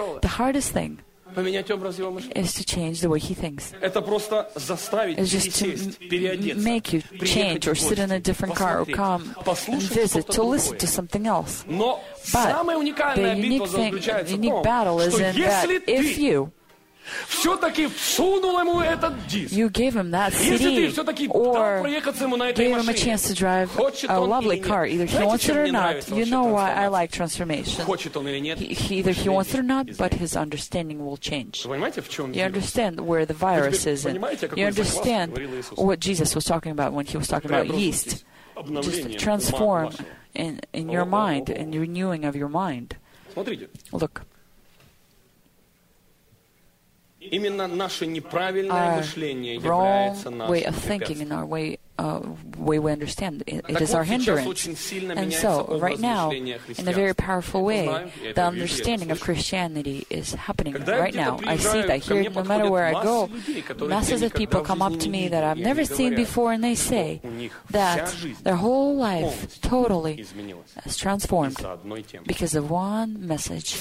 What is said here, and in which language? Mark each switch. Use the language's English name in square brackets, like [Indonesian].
[English] The hardest thing is to change the way he thinks. It's just to make you change or sit in a different car or come and visit to listen to something else. But the unique battle is in that if you [Russian] Все-таки всунул ему этот диск. [English] You gave him that CD, or gave him a chance to drive a lovely car. Either he wants it or not. You know why I like transformation. Either he wants it or not, but his understanding will change. You understand where the virus is in. You understand what Jesus was talking about when he was talking about yeast. Just transform in your mind, in renewing of your mind. Look. [Russian] Именно наше неправильное мышление является нашим [English] way of thinking, in our way we understand, it is our hindrance. And so, right now, in a very powerful way, the understanding of Christianity is happening right now. I see that here, no matter where I go, masses of people come up to me that I've never seen before, and they say that their whole life totally has transformed because of one message.